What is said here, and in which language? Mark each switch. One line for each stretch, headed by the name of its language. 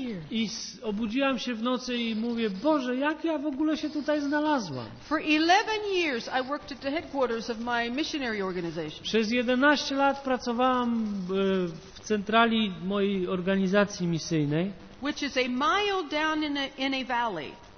Polish: I obudziłam się w nocy i mówię, Boże, jak ja w ogóle się tutaj znalazłam?
English: For 11 years I worked at the headquarters of my missionary organization.
Polish: Przez 11 lat pracowałam w centrali mojej organizacji misyjnej,
English: which is a mile down in a valley.